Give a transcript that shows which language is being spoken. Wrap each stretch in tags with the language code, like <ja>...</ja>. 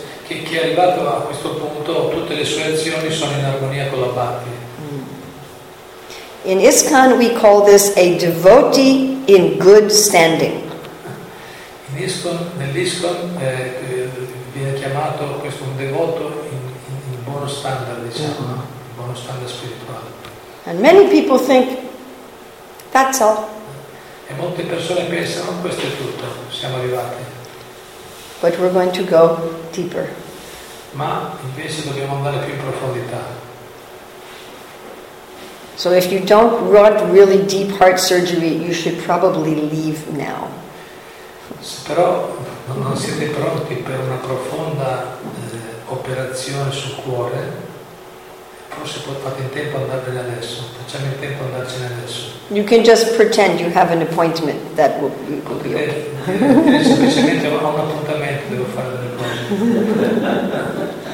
<it>che chi è arrivato a questo punto tutte le sue azioni sono in armonia con la Bhakti.</it> <en>In ISKCON we call this a devotee in good standing.</en> <it>In ISKCON, nell'ISKCON viene chiamato questo un devoto in buono standard, diciamo, in buono standard spirituale.</it> <en>And many people think that's all.</en> <it>E molte persone pensano questo è tutto, siamo arrivati.</it> <en>But we're going to go deeper.</en> <it>Ma invece dobbiamo andare più in profondità.</it> <en>So if you don't want really deep heart surgery, you should probably leave now.</en> <it>Però non siete pronti per una profonda operazione sul cuore, forse fate in tempo ad andarvene adesso. Facciamo in tempo ad andarcene adesso.</it> <en>You can just pretend you have an appointment that will be okay.</en> <it>Semplicemente ho un appuntamento, devo fare delle cose.</it>